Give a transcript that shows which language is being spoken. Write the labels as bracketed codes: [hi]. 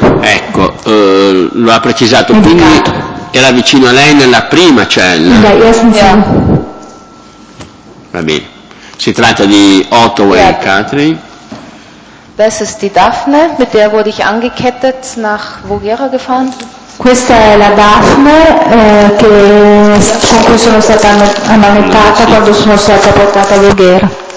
[it] Ecco, lo ha precisato, quindi era vicino a lei nella prima cella. [de] In der ersten Zelle. Yeah. [it] Va bene. Si tratta di Otto e Katrin. [de] Das ist die Daphne, mit der wurde ich angekettet nach Voghera gefahren. [it] Questa è la Daphne che con cui sono stata ammanettata quando sono stata portata a Voghera.